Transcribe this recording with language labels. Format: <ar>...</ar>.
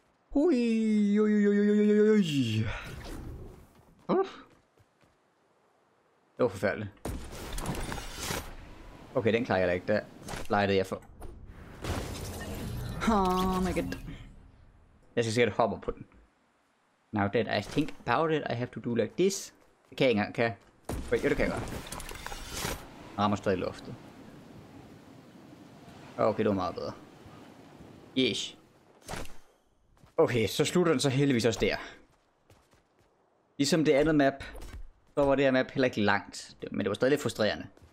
<da>Hui, oi. Det var forfærdeligt. Okay, den klarer jeg da ikke. Der lightede jeg for.</da> <en>Oh my god.</en> <da>Jeg skal sikkert hoppe på den.</da> <en>Now that I think about it, I have to do like this.</en> <da>Det kan jeg ikke engang, kan jeg? Okay, jo, det kan jeg godt. Rammer stadig luftet. Okay, det var meget bedre. Yes. Okay, så slutter den så heldigvis også der. Ligesom det andet map, så var det her map heller ikke langt. Men det var stadig lidt frustrerende.</da>